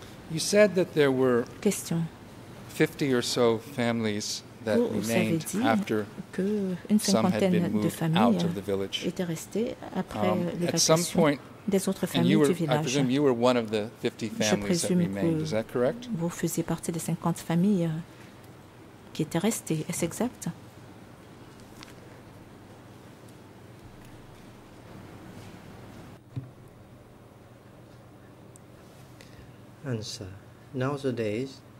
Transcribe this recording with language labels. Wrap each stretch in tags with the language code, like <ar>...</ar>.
<en>You said that there were</en> <fr>question.</fr> <en>50 or so families that</en> <fr>vous</fr> <en>remained</en> <fr>vous</fr> <en>after</en> <fr>que une cinquantaine de familles étaient restées après l'évacuation. Des autres familles</fr> <en>and you were,</en> <fr>du village.</fr> <en>I presume you were one of the 50 families that remained. Is that correct?</en> <fr>Vous faisiez partie des 50 familles qui étaient restées. Est-ce exact?</fr> <en>Answer. Nowadays,</en>